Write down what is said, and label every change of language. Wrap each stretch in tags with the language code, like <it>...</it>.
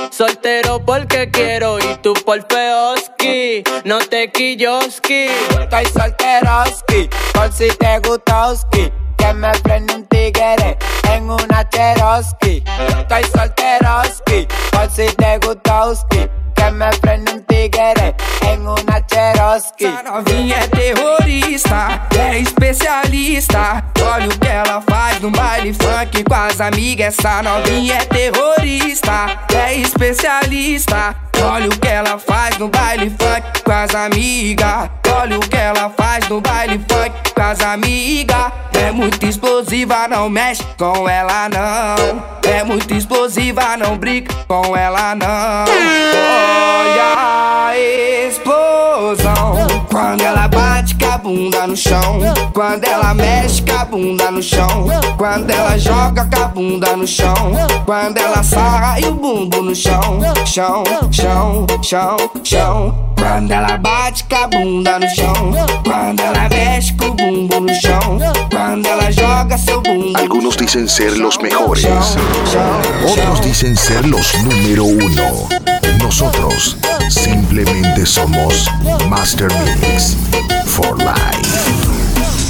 <es>Soltero porque quiero y tú por feoski. No te quilloski. Estoy solteroski por si te gusta oski. Que me prende un tigre en una Cherokee. Estoy solteroski por si te gusta oski. Que me prende un tigre en una Cherokee.</es> <pt>Essa novinha é terrorista, é especialista. Olha o que ela faz no baile funk com as amigas. Essa novinha é terrorista, é especialista. Olha o que ela faz no baile funk com as amigas. Olha o que ela faz no baile funk com as amigas. É muito explosiva, não mexe com ela não. É muito explosiva, não briga com ela não. Olha a explosão. Quando ela bate com a bunda no chão. Quando ela mexe com a bunda no chão. Quando ela joga com a bunda no chão. Quando ela sai o bumbo no chão. Chão, chão, chão, chão. Quando ela bate com a bunda no chão. Quando ela mexe com o bumbo no chão. Quando ela joga seu bumbo.</pt> <es>Algunos dicen ser los mejores. Otros dicen ser los número uno. Nosotros simplemente somos Master Mix for Life.</es>